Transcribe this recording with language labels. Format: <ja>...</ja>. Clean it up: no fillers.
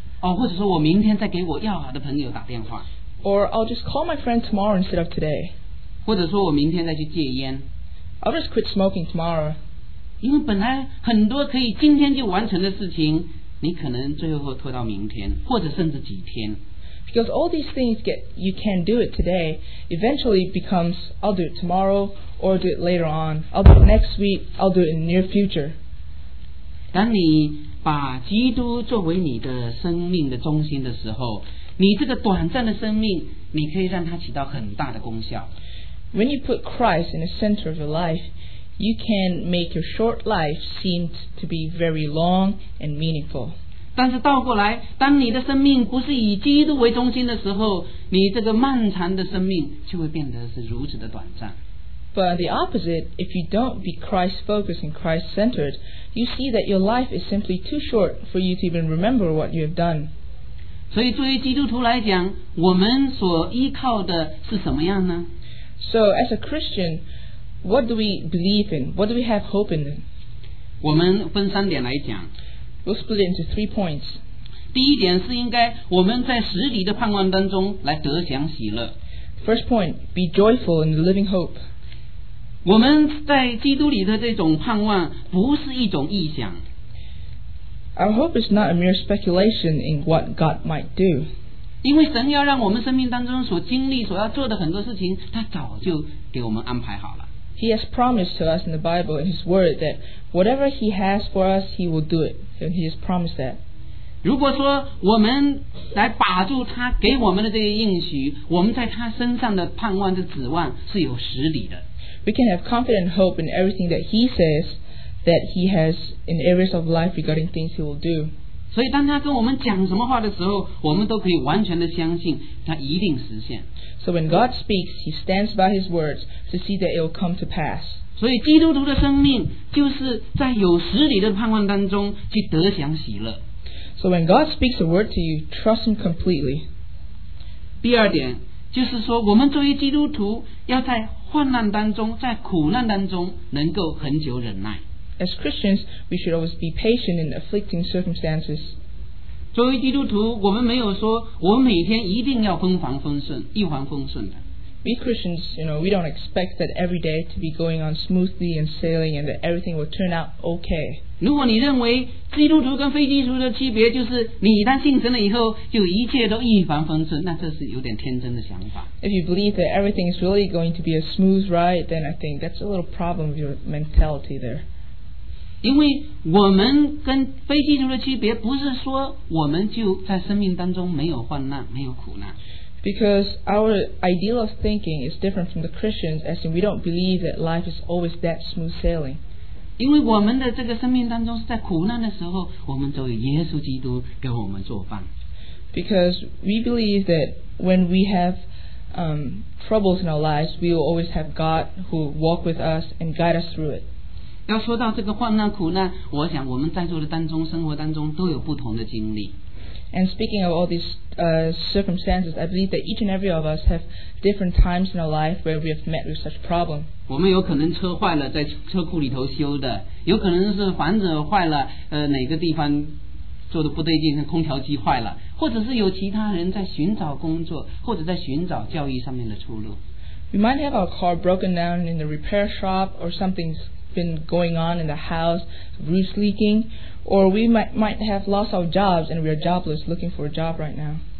<zh>哦，或者说我明天再给我要好的朋友打电话。</zh> <en>Or I'll just call my friend tomorrow instead of today.</en> <zh>或者说我明天再去戒烟。</zh> <en>I'll just quit smoking tomorrow.</en> <zh>因为本来很多可以今天就完成的事情，你可能最后拖到明天，或者甚至几天。</zh> <en>Because all these things get you can do it today, eventually becomes I'll do it tomorrow or do it later on. I'll do it next week. I'll do it in the near future.</en> <zh>当你把基督作为你的生命的中心的时候，你这个短暂的生命，你可以让它起到很大的功效。</zh> <en>When you put Christ in the center of your life, you can make your short life seem to be very long and meaningful.</en> <zh>但是倒过来，当你的生命不是以基督为中心的时候，你这个漫长的生命就会变得是如此的短暂。</zh> <en>But the opposite, if you don't be Christ-focused and Christ-centered, you see that your life is simply too short for you to even remember what you have done.</en> <zh>所以作为基督徒来讲，我们所依靠的是什么样呢？</zh> <en>So as a Christian, what do we believe in? What do we have hope in?</en> <zh>我们分三点来讲。</zh> <en>We'll split it into three points.</en> <zh>第一点是应该我们在实体的盼望当中来得享喜乐。</zh> <en>First point, be joyful in the living hope.</en> <zh>我们在基督里的这种盼望不是一种臆想。</zh> <en>Our hope is not a mere speculation in what God might do.</en> <zh>因为神要让我们生命当中所经历所要做的很多事情他早就给我们安排好了。</zh> <en>He has promised to us in the Bible in his word that whatever he has for us he will do it. He has promised that.</en> <zh>如果说我们来把住他给我们的这些应许，我们在他身上的盼望的指望是有实理的。</zh> <en>We can have confident hope in everything that he says that he has in areas of life regarding things he will do.</en> <zh>所以当他跟我们讲什么话的时候，我们都可以完全的相信他一定实现。</zh> <en>So when God speaks, he stands by his words to see that it will come to pass.</en> <zh>所以基督徒的生命就是在有实理的盼望当中去得享喜乐。</zh> <en>So when God speaks a word to you, trust him completely.</en> <zh>第二点，就是说我们作为基督徒要在患难当中，在苦难当中能够恒久忍耐。</zh> <en>As Christians, we should always be patient in afflicting circumstances.</en> <zh>作为基督徒，我们没有说我每天一定要风帆风顺，一帆风顺的。</zh> <en>We Christians, you know, we don't expect that every day to be going on smoothly and sailing, and that everything will turn out okay.</en> <zh>如果你认为基督徒跟非基督徒的区别就是你一旦信神了以后就一切都一帆风顺，那这是有点天真的想法。</zh> <en>If you believe that everything is really going to be a smooth ride, then I think that's a little problem with your mentality there.</en> <zh>因为我们跟非基督徒的区别不是说我们就在生命当中没有患难没有苦难。</zh> <en>Because our ideal of thinking is different from the Christians, as in we don't believe that life is always that smooth sailing.</en> <zh>因为我们的这个生命当中是在苦难的时候，我们都有耶稣基督给我们作伴。</zh> <en>Because we believe that when we have troubles in our lives, we will always have God who walk with us and guide us through it.</en> <zh>要说到这个患难苦难，我想我们在座的当中，生活当中都有不同的经历。</zh> <en>And speaking of all these circumstances, I believe that each and every of us have different times in our life where we have met with such problems.</en> <zh>我们有可能车坏了，在车库里头修的，有可能是房子坏了，哪个地方做的不对劲，空调机坏了，或者是有其他人在寻找工作，或者在寻找教育上面的出路。</zh> <en>We might have our car broken down in the repair shop, or something's been going on in the house, roof's leaking. Or we might have lost our jobs and we are jobless looking for a job right now.</en>